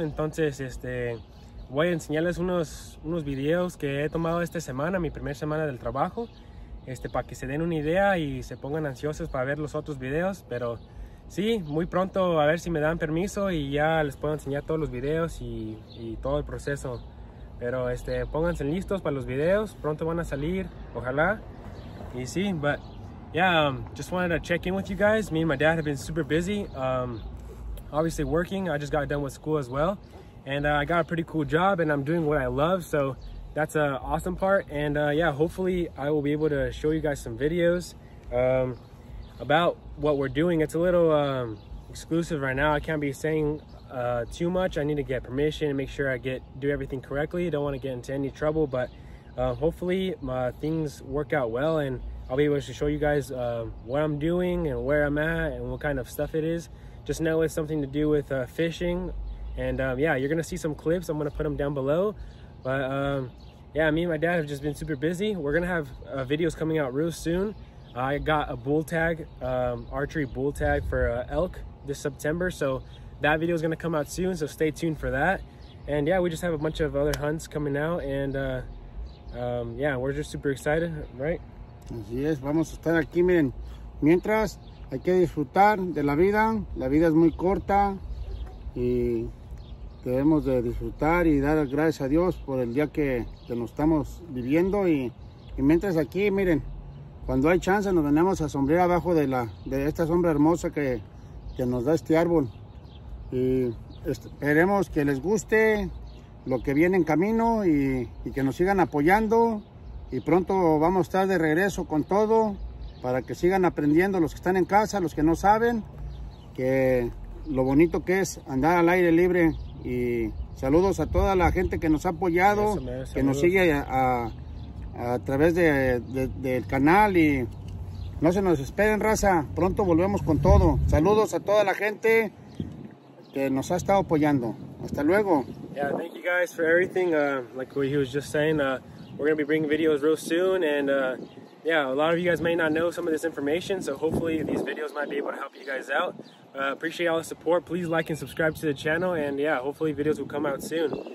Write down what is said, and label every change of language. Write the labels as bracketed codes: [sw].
[es] Entonces voy a enseñarles unos videos que he tomado esta semana, mi primera semana del trabajo, para que se den una idea y se pongan ansiosos para ver los otros videos. Pero sí, muy pronto a ver si me dan permiso y ya les puedo enseñar todos los videos y todo el proceso. Pero pónganse listos para los videos, pronto van a salir, ojalá. Y sí, [en] but yeah, just wanted to check in with you guys. Me and my dad have been super busy, obviously working. I just got done with school as well, and I got a pretty cool job and I'm doing what I love, so that's an awesome part. And yeah, hopefully I will be able to show you guys some videos about what we're doing. It's a little exclusive right now. I can't be saying too much. I need to get permission and make sure I do everything correctly. I don't want to get into any trouble, but hopefully my things work out well and I'll be able to show you guys what I'm doing and where I'm at and what kind of stuff it is. Just know it's something to do with fishing, and yeah, you're gonna see some clips. I'm gonna put them down below, but yeah, me and my dad have just been super busy. We're gonna have videos coming out real soon. I got a bull tag, archery bull tag for elk this September, so that video is going to come out soon, so stay tuned for that. And yeah, we just have a bunch of other hunts coming out, and yeah, we're just super excited, right? [es] Así es, vamos a estar aquí, miren. Mientras, hay que disfrutar de la vida es muy corta, y debemos de disfrutar y dar gracias a Dios por el día que nos estamos viviendo, y mientras aquí, miren, cuando hay chance nos venimos a sombrear abajo de esta sombra hermosa que nos da este árbol. Y esperemos que les guste lo que viene en camino y que nos sigan apoyando. Y pronto vamos a estar de regreso con todo para que sigan aprendiendo los que están en casa, los que no saben, que lo bonito que es andar al aire libre. Y saludos a toda la gente que nos ha apoyado, que nos sigue a través del canal. Y no se nos esperen, raza, pronto volvemos con todo. Saludos a toda la gente que nos ha estado apoyando. Hasta luego. [en] Yeah, thank you guys for everything. Like what he was just saying, we're going to be bringing videos real soon. And yeah, a lot of you guys may not know some of this information, so hopefully these videos might be able to help you guys out. Appreciate all the support. Please like and subscribe to the channel. And yeah, hopefully videos will come out soon.